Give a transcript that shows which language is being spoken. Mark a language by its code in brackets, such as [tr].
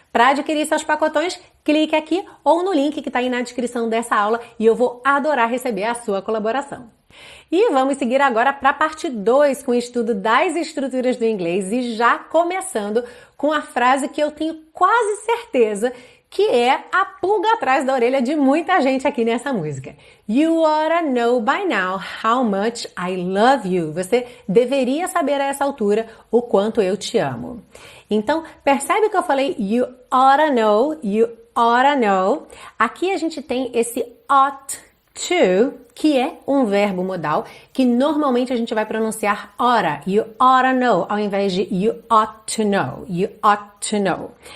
[pt] Para adquirir seus pacotões, clique aqui ou no link que está aí na descrição dessa aula e eu vou adorar receber a sua colaboração. E vamos seguir agora para a parte 2 com o estudo das estruturas do inglês e já começando com a frase que eu tenho quase certeza que é a pulga atrás da orelha de muita gente aqui nessa música. [en] You oughta know by now how much I love you. [pt] Você deveria saber a essa altura o quanto eu te amo. Então, percebe que eu falei [en] you oughta know, you oughta know. [pt] Aqui a gente tem esse ought to, que é um verbo modal, que normalmente a gente vai pronunciar ora, [en] you oughta know, [pt] ao invés de [en] you ought to know, you ought to know.